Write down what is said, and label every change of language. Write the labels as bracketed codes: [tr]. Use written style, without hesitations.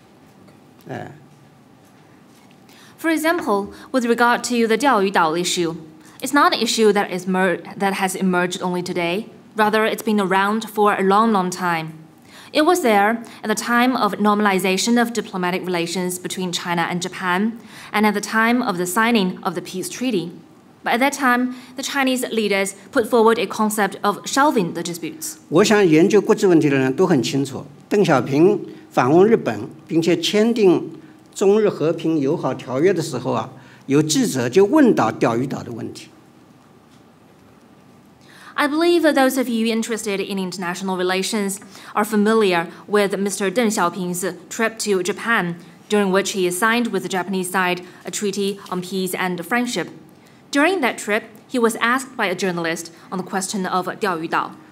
[zh] 和中日签订和平条约的时候啊，这些问题也存在。但是当时啊，中国领导人就提出来一个，就叫搁置争议。哎。 [en] For example, with regard to the 钓鱼岛 issue, it's not an issue that has emerged only today. Rather, it's been around for a long, long time. It was there at the time of normalization of diplomatic relations between China and Japan, and at the time of the signing of the peace treaty. But at that time, the Chinese leaders put forward a concept of shelving the disputes. [zh] 我想研究国际问题的人都很清楚，邓小平访问日本并且签订中日和平友好条约的时候啊，有记者就问到钓鱼岛的问题。 [en] I believe those of you interested in international relations are familiar with Mr. Deng Xiaoping's trip to Japan, during which he signed with the Japanese side a treaty on peace and friendship. During that trip, he was asked by a journalist on the question of 钓鱼岛.